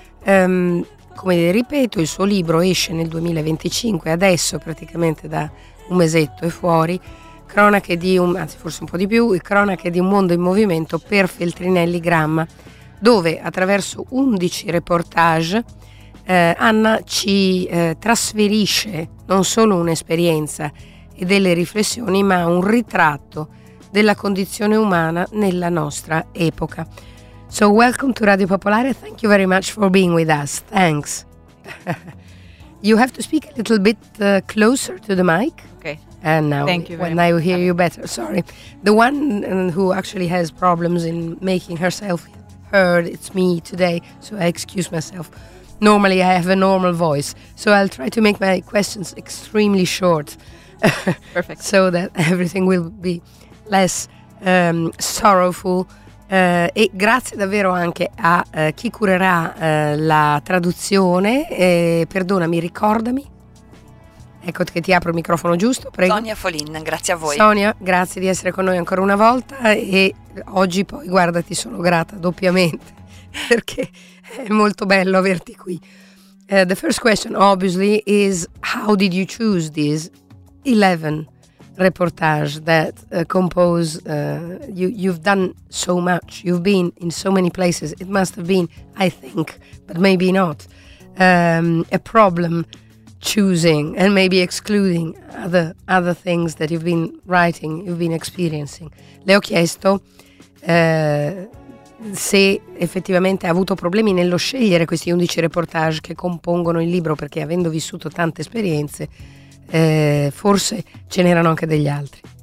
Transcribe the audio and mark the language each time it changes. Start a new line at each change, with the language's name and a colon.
Italian: Come ripeto, il suo libro esce nel 2025, adesso praticamente da un mesetto è fuori, Cronache di un, anzi forse un po' di più, Cronache di un mondo in movimento per Feltrinelli Gramma, dove attraverso 11 reportage Anna ci trasferisce non solo un'esperienza e delle riflessioni, ma un ritratto della condizione umana nella nostra epoca.
English: So welcome to Radio Popolare. Thank you very much for being with us. Thanks. You have to speak a little bit closer to the mic. Okay. And now thank you when very I much. Hear you better. Sorry. The one who actually has problems in making herself heard, it's me today. So I excuse myself. Normally I have a normal voice, so I'll try to make my questions extremely short. Perfect. So that everything will be less sorrowful.
Italian: E grazie davvero anche a chi curerà la traduzione. Perdonami, ricordami. Ecco che ti apro il microfono giusto, prego. Sonia Folin, grazie a voi. Sonia, grazie di essere con noi ancora una volta e oggi poi, guarda, ti sono grata doppiamente. Perché è molto bello averti qui.
English: The first question, obviously, is how did you choose these 11 reportages that compose? You've done so much. You've been in so many places. It must have been, I think, but maybe not, a problem choosing and maybe excluding other things that you've been writing, you've been experiencing.
Italian: Le ho chiesto se effettivamente ha avuto problemi nello scegliere questi 11 reportage che compongono il libro, perché avendo vissuto tante esperienze forse ce n'erano anche degli altri.